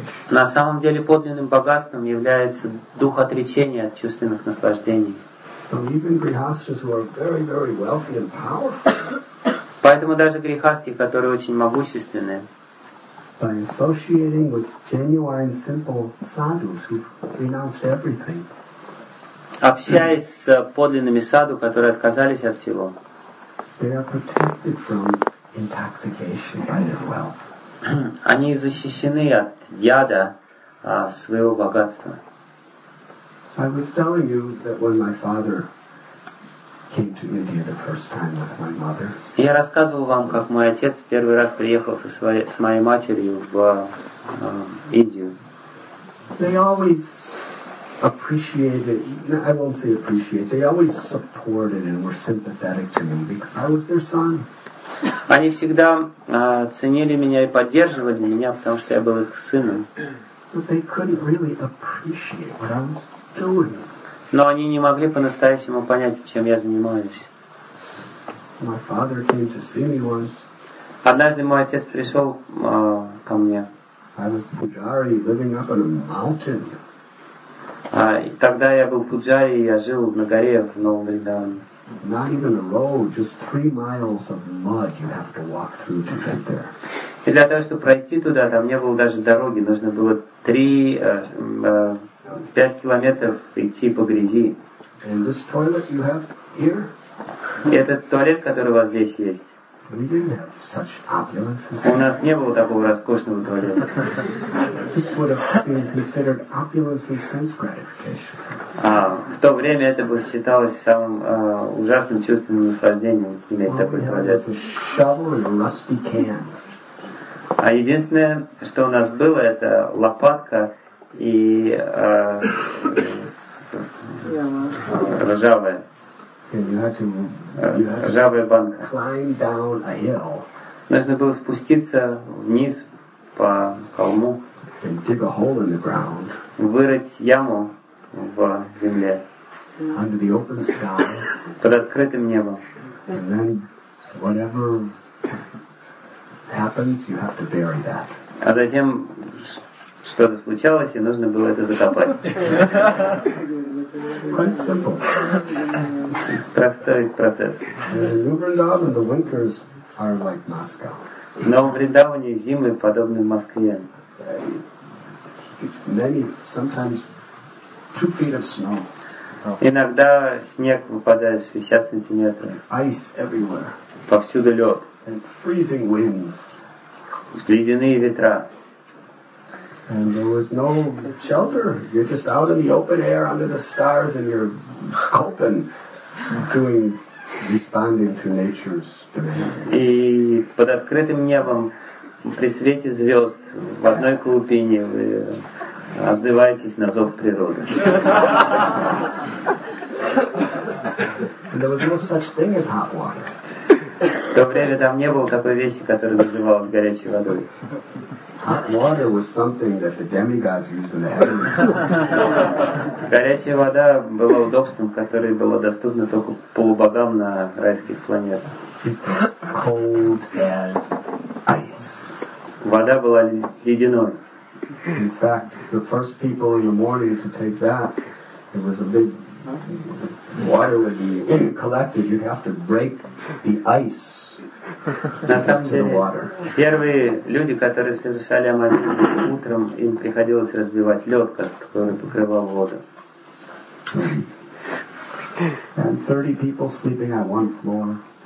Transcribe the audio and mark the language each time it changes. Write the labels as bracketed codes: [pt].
[ru] На самом деле подлинным богатством является дух отречения от чувственных наслаждений. Поэтому даже грехасти, которые очень могущественны, [en] by associating with genuine, simple sadhus who renounced everything. [ru] Общаясь с подлинными саду, которые отказались от всего. [en] They are protected from intoxication by their wealth. [ru] Они защищены от яда своего богатства. [en] I was telling you that when my father came to India the first time with my mother. [ru] Я рассказывал вам, как мой отец в первый раз приехал со своей, с моей матерью в Индию. [en] They always appreciated, I won't say appreciate, they always supported and were sympathetic to me because I was their son. [ru] Они всегда ценили меня и поддерживали меня, потому что я был их сыном. [en] But they couldn't really appreciate what I was doing. [ru] Но они не могли по-настоящему понять, чем я занимаюсь. [en] My father came to see me once. [ru] Однажды мой отец пришел ко мне. [en] I was pujari, living up on a mountain. [ru] Тогда я был пуджари, я жил на горе в Новом Вриндаване. [en] Not even a road, just 3 miles of mud you have to walk through to get there. [ru] И для того, чтобы пройти туда, там не было даже дороги, нужно было 5 километров идти по грязи. [en] And this toilet you have here? [ru] И этот туалет, который у вас здесь есть. [en] We didn't have such opulence as that. [ru] У нас не было такого роскошного туалета. [en] This would have been considered opulence and sense gratification. [ru] В то время это бы считалось самым ужасным чувственным наслаждением иметь такой туалет. [en] Shovel and a rusty can. [ru] А единственное, что у нас было, это лопатка и ржавая банка. [en] Climb down a hill. [ru] Нужно было спуститься вниз по холму, [en] and dig a hole in the ground. [ru] Вырыть яму в земле, [en] yeah. Under the open sky. [ru] Под открытым небом. [en] And then whatever happens, you have to bury that. [ru] А затем что-то случалось, и нужно было это закопать. [en] Quite simple. [ru] Простой процесс. [en] New Vrindavan, the winters are like Moscow. [ru] В Новом Вриндаване зимы подобны Москве. [en] Many, sometimes 2 feet of snow. [ru] Иногда снег выпадает 60 сантиметров. [en] Ice everywhere. [ru] Повсюду лед. [en] And freezing winds. [ru] Ледяные ветра. [en] And there was no shelter. You're just out in the open air under the stars and you're coping, doing, responding to nature's demands. [ru] И под открытым небом, при свете звезд, в одной клубине вы отзываетесь на зов природы. [en] And there was no such thing as hot water. [ru] В то время там не было такой вещи, которая называлась горячей водой. [en] Hot water was something that the demigods used in the heavens. [ru] Горячая вода была удобством, которое было доступно только полубогам на райских планетах. [en] Cold as ice. [ru] Вода была ледяной. [en] In fact, the first people in the morning to take that, it was a big water would be collected. You'd have to break the ice. [ru] На самом деле, первые люди, которые совершали омовение утром, им приходилось разбивать лед, который покрывал воду. [en] And 30 people sleeping on one floor.